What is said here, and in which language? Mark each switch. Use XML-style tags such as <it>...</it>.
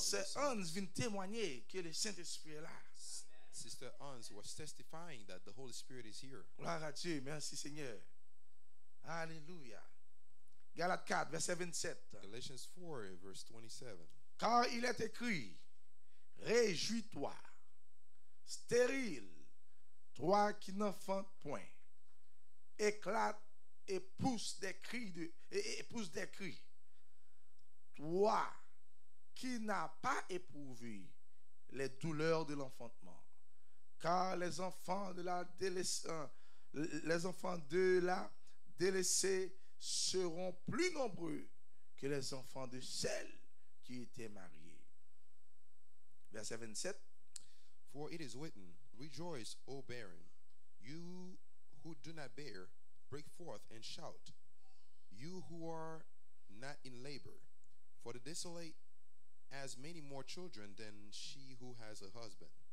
<fr>Sœur Hans vient témoigner que le Saint-Esprit est là.</fr> <en>Sister Hans was testifying that the Holy Spirit is here.</en> <fr>Gloire à Dieu, merci Seigneur. Alléluia. Galates 4, verset 27.</fr> <en>Galatians 4, verse 27.</en> <fr>Car il est écrit, réjouis-toi, stérile, toi qui n'enfantes point, éclate et pousse des cris toi qui n'as pas éprouvé les douleurs de l'enfantement, car les enfants de la délaissée seront plus nombreux que les enfants de celles qui étaient mariées. Verset 27.</fr> <en>For it is written, rejoice, O barren, you who do not bear, break forth and shout, you who are not in labor, for the desolate has many more children than she who has a husband.</en>